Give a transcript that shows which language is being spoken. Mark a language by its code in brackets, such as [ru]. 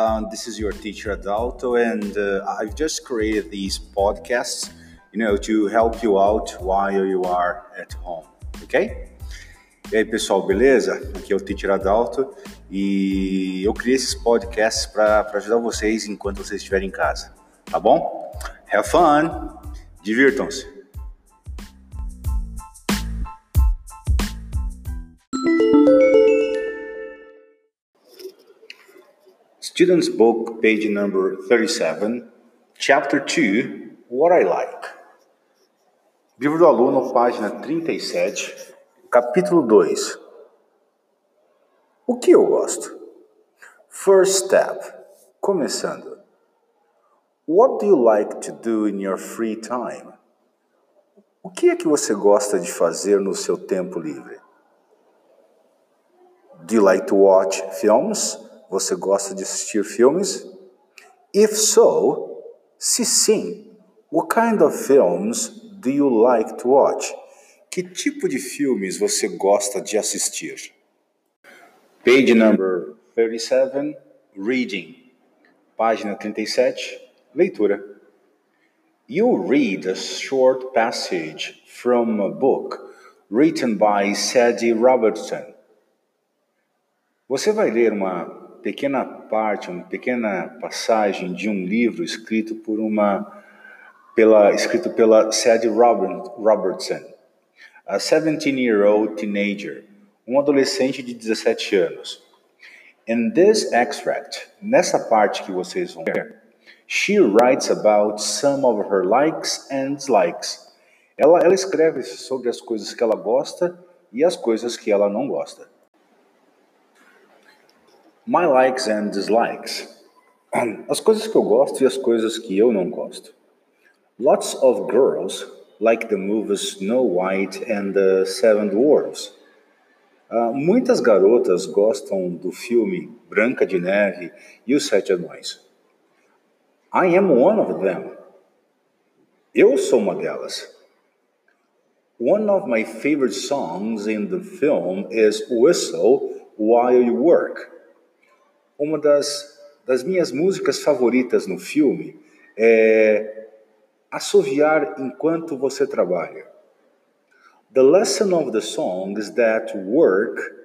[en] This is your teacher Adalto, and I've just created these podcasts, you know, to help you out while you are at home, ok? [pt] E aí pessoal, beleza? Aqui é o teacher Adalto e eu criei esses podcasts para ajudar vocês enquanto vocês estiverem em casa, tá bom? [en] Have fun! [pt] Divirtam-se! [en] Student's book, page number 37, chapter 2, What I Like. [pt] Livro do aluno, página 37, capítulo 2. O que eu gosto? [en] First step, [pt] começando. [en] What do you like to do in your free time? [pt] O que é que você gosta de fazer no seu tempo livre? [en] Do you like to watch films? [pt] Você gosta de assistir filmes? [en] If so, [pt] se sim, [en] what kind of films do you like to watch? [pt] Que tipo de filmes você gosta de assistir? [en] Page number 37, reading. [pt] Página 37, leitura. [en] You read a short passage from a book written by Sadie Robertson. [pt] Você vai ler uma pequena parte, uma pequena passagem de um livro escrito por escrito pela Sadie Robertson, [en] a 17-year-old teenager, [pt] um adolescente de 17 anos. [en] In this extract, [pt] nessa parte que vocês vão ler, [en] she writes about some of her likes and dislikes. [pt] Ela escreve sobre as coisas que ela gosta e as coisas que ela não gosta. [en] My likes and dislikes. [pt] As coisas que eu gosto e as coisas que eu não gosto. [en] Lots of girls like the movies Snow White and the Seven Dwarfs. [pt] Muitas garotas gostam do filme Branca de Neve e os Sete Anões. [en] I am one of them. [pt] Eu sou uma delas. [en] One of my favorite songs in the film is Whistle While You Work. [pt] Uma das minhas músicas favoritas no filme é Assoviar Enquanto Você Trabalha. [en] The lesson of the song is that work.